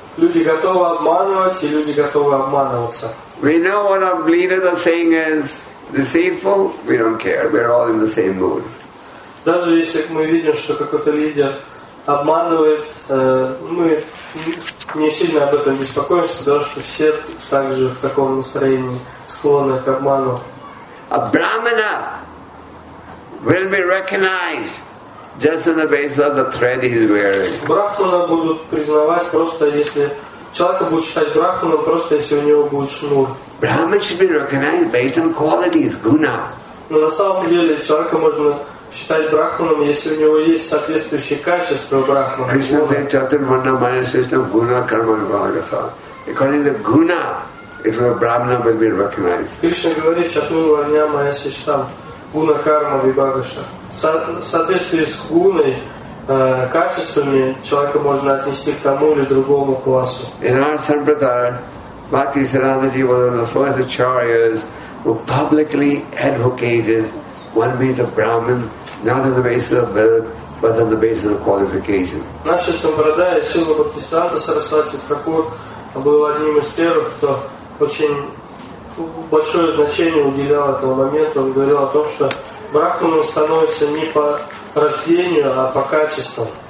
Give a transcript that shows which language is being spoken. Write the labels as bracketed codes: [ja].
[ru] Люди готовы обманывать и люди готовы обманываться. [en] We know what our leaders are saying is deceitful. We don't care. We're all in the same mood. [ru] Даже если мы видим, что какой-то лидер обманывает, мы не сильно об этом беспокоимся, потому что все также в таком настроении склонны к обману. [en] A brahmana will be recognized just on the basis of the thread he's wearing. [ru] Брахмана будут признавать просто если человека будет считать брахманом, просто если у него будет шнур. [en] Brahman should be recognized based on qualities, guna. [ru] Но на самом деле человека можно считать брахманом, если у него есть соответствующие качества брахмана. [sa] Кришна [en] says, [sa] "Chatur Varna Maya System Guna Karma Vibhagasa." [en] According to the guna, if a brahmana will be recognized. [sa] Кришна [ru] говорит, [sa] "Chatur Varna Maya System Guna Karma Vibhagasa." [ru] Соответствие с гуной, качествами человека можно отнести к тому или другому классу. [en] In our sampradaya, Bhakti Siddhanta Ji was one of the first acharyas who publicly advocated one means of Brahman, not on the basis of birth, but on the basis of qualification. [ru] Наша сампрадая, Сила Бхактисиддханта Сарасвати Тхакур, был одним из первых, кто очень большое значение уделял этому моменту. Он говорил о том, что брахманом становится не по рождению, а по качествам.